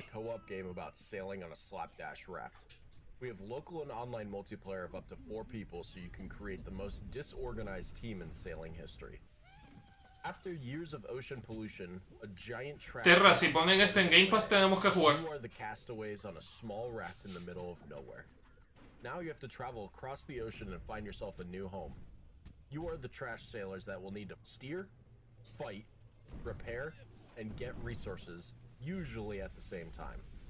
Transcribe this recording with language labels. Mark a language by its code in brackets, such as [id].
[en] It's a co-op game about sailing on a slapdash raft. We have local and online multiplayer of up to 4 people, so you can create the most disorganized team in sailing history. After years of ocean pollution, a giant trash... [es] Terra, si ponen esto en Game Pass, tenemos que jugar. [en] You are the castaways on a small raft in the middle of nowhere. Now you have to travel across the ocean and find yourself a new home. You are the trash sailors that will need to steer, fight, repair, and get resources, usually at the same time.